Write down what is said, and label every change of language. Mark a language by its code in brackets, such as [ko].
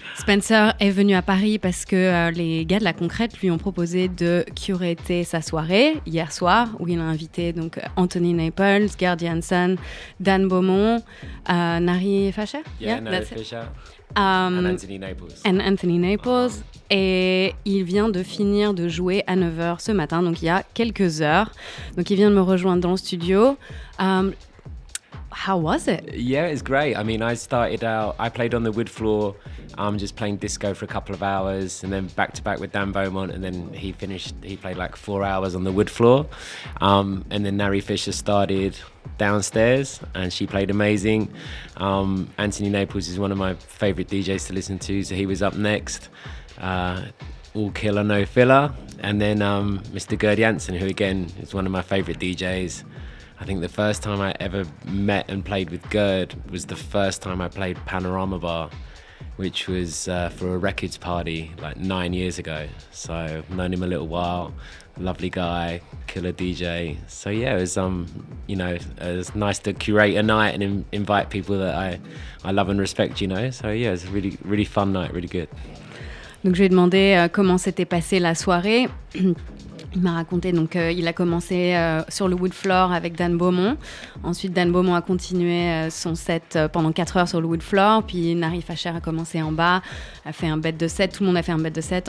[fr] Spencer est venu à Paris parce que les gars de la concrète lui ont proposé de curater sa soirée hier soir, où il a invité donc Anthony Naples, Gerdy Anson, Dan Beaumont, Nari Fischer. [en] Nari Fischer. And Anthony Naples. [fr] Et il vient de finir de jouer à 9h ce matin, donc il y a quelques heures. Donc il vient de me rejoindre dans le studio. [en] How was it? Yeah, it's great. I mean, I started out, I played on the wood floor, just playing disco for a couple of hours, and then back to back with Dan Beaumont, and then he played like 4 hours on the wood floor. And then Nari Fischer started downstairs and she played amazing. Anthony Naples is one of my favorite DJs to listen to, so he was up next. All killer, no filler. And then Mr. Gerdy Anson, who again is one of my favorite DJs. I think the first time I ever met and played with Gerd was the first time I played Panorama Bar, which was for a records party like 9 years ago. So I've known him a little while. Lovely guy, killer DJ. So yeah, it was it was nice to curate a night and invite people that I love and respect, you know. So yeah, it was a really, really fun night, really good. [fr] Donc je lui ai demandé comment s'était passée la soirée. Il m'a raconté, donc il a commencé sur le wood floor avec Dan Beaumont. Ensuite, Dan Beaumont a continué son set pendant 4 heures sur le wood floor. Puis Narif Asher a commencé en bas, a fait un bête de set. Tout le monde a fait un bête de set.